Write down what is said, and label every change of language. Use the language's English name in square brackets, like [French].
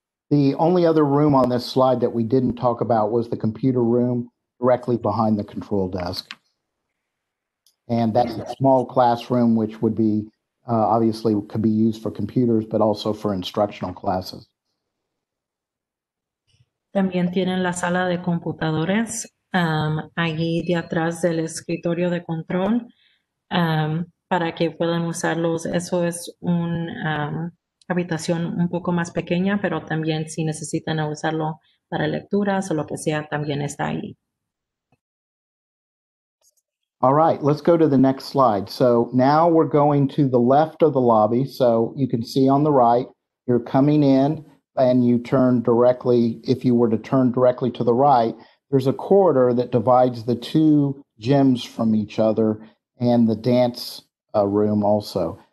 [English] The only other room on this slide that we didn't talk about was the computer room directly behind the control desk. And that's a small classroom, which would be obviously could be used for computers, but also for instructional classes. [Spanish] También tienen la sala de computadores allí de atrás del escritorio de control para que puedan usarlos. Eso es una habitación un poco más pequeña, pero también si necesitan usarlo para lecturas o lo que sea, también está ahí. [English] All right, let's go to the next slide. So now we're going to the left of the lobby. So you can see on the right, you're coming in and you turn directly. If you were to turn directly to the right, there's a corridor that divides the two gyms from each other and the dance room also.